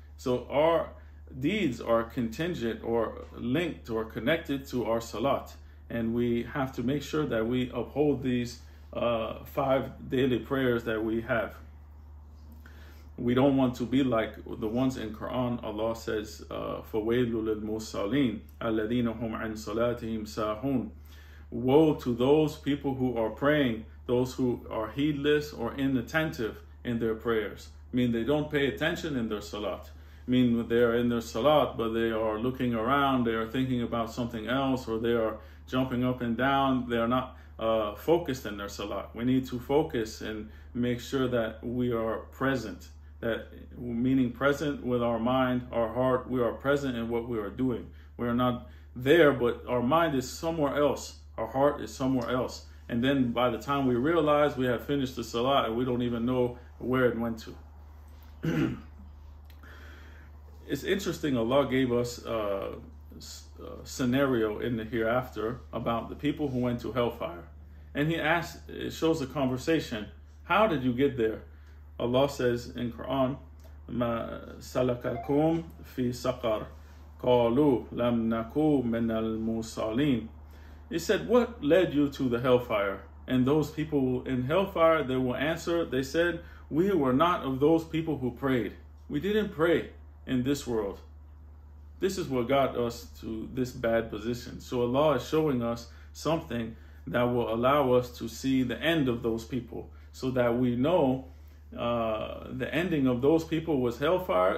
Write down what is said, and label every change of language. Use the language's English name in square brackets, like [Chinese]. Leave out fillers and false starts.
[English] So our deeds are contingent or linked or connected to our Salat. And we have to make sure that we uphold these five daily prayers that we have. We don't want to be like the ones in Quran. Allah says, [Arabic] فَوَيْلُ لِلْمُصَّلِينَ الَّذِينَ هُمْ عَنْ صَلَاتِهِمْ سَاهُونَ. [English] Woe to those people who are praying, those who are heedless or inattentive in their prayers. I mean, they don't pay attention in their Salat. I mean, they're in their Salat, but they are looking around, they are thinking about something else, or they are jumping up and down. They are not focused in their Salat. We need to focus and make sure that we are present. That meaning present with our mind, our heart, we are present in what we are doing. We are not there, but our mind is somewhere else. Our heart is somewhere else. And then by the time we realize, we have finished the Salat and we don't even know where it went to. It's interesting, Allah gave us a scenario in the hereafter about the people who went to hellfire. And he asked, it shows a conversation, how did you get there? Allah says in Quran, [Arabic] مَا سَلَكَكُمْ فِي سَقَرْ قَالُوا لَمْ نَكُوا مِنَ الْمُصَالِينَ. [English] He said, what led you to the hellfire? And those people in hellfire, they will answer, they said, we were not of those people who prayed. We didn't pray in this world. This is what got us to this bad position. So Allah is showing us something that will allow us to see the end of those people, so that we know the ending of those people was hellfire.